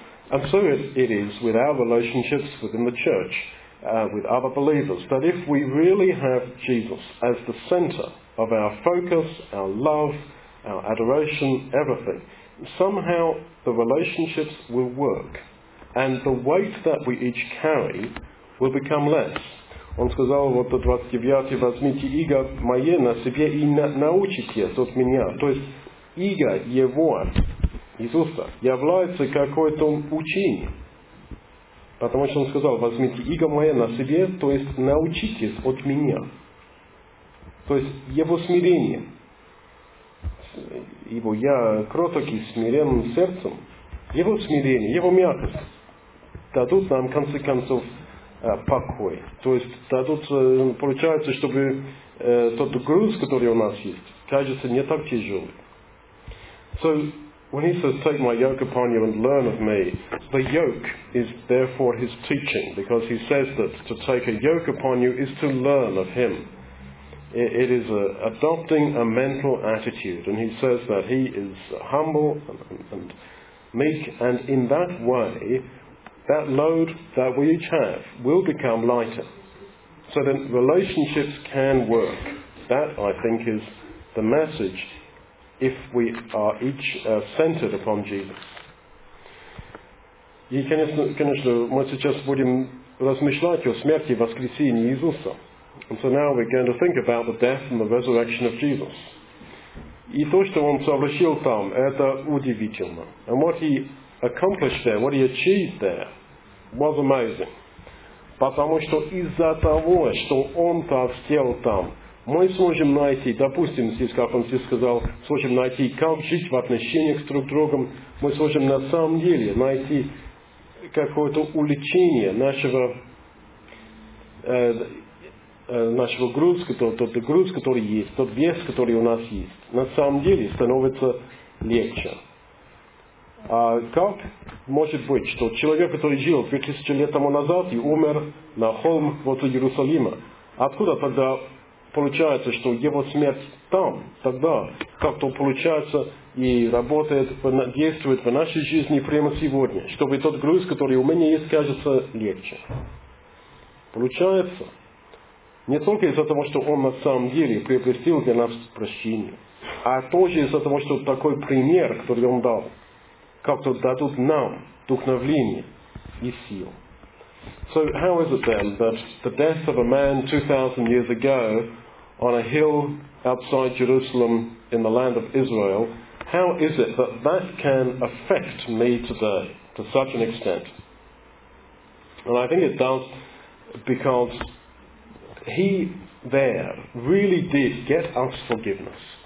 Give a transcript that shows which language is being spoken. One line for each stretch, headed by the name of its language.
English: And so it is with our relationships within the church, with other believers, that if we really have Jesus as the center of our focus, our love, our adoration, everything, somehow the relationships will work, and the weight that we each carry will become less.
Russian: Он сказал, вот этот вас девятый, возьмите иго мое на себе и научитесь от меня. То есть иго его, Иисуса, является какой-то учением. Потому что он сказал, возьмите иго мое на себе, то есть научитесь от меня. То есть его смирение. Ибо я кроток и смирен сердцем. Его смирение, его мягкость дадут нам, в конце концов, покой. То есть дадут, получается, чтобы тот груз, который у нас есть, кажется не так тяжелый.
English: So, when he says, take my yoke upon you and learn of me, the yoke is therefore his teaching, because he says that to take a yoke upon you is to learn of him. It is adopting a mental attitude, and he says that he is humble and meek, and in that way, that load that we each have will become lighter. So then relationships can work. That, I think, is the message if we are each centered upon Jesus.
Russian: И, конечно, мы сейчас будем размышлять о смерти и воскресении Иисуса.
English: And so now we're going to think about the death and the resurrection of Jesus.
Russian: И то, что он совершил там, это удивительно.
English: And what he accomplished there, what he achieved there, was amazing.
Russian: Потому что из-за того, что он так сделал там, мы сможем найти, допустим, здесь, как он здесь сказал, сможем найти, как жить в отношениях с друг другом, мы сможем на самом деле найти какое-то увлечение нашего груза, тот груз, который есть, тот вес, который у нас есть, на самом деле становится легче. А как может быть, что человек, который жил 2000 лет тому назад и умер на холм возле Иерусалима, откуда тогда получается, что его смерть там, тогда как-то получается и работает, действует в нашей жизни прямо сегодня, чтобы тот груз, который у меня есть, кажется легче. Получается, не только из-за того, что он на самом деле приобрестил для нас прощение, а тоже из-за того, что такой пример, который он дал, как-то дадут нам вдохновение и силу.
English: So how is it then that the death of a man 2,000 years ago on a hill outside Jerusalem in the land of Israel, how is it that that can affect me today to such an extent? And I think it does because he there really did get us forgiveness.